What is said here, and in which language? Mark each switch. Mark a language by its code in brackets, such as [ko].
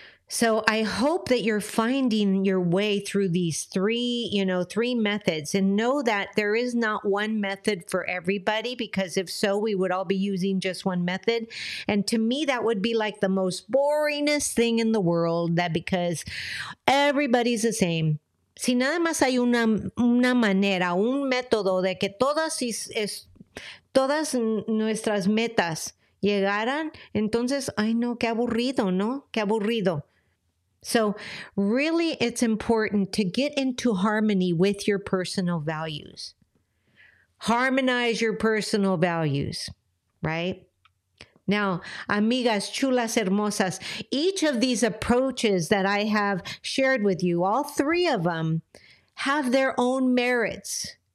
[en] So I hope that you're finding your way through these three, you know, three methods, and know that there is not one method for everybody, because if so, we would all be using just one method. And to me, that would be like the most boringest thing in the world, that because everybody's the same. [es] Si nada más hay una manera, un método de que todas es todas nuestras metas llegaran, entonces, ay no, qué aburrido, ¿no? Qué aburrido. [en] So, really, it's important to get into harmony with your personal values. Harmonize your personal values, right? Now, [es] amigas, chulas, hermosas, [en] each of these approaches that I have shared with you, all three of them, have their own merits.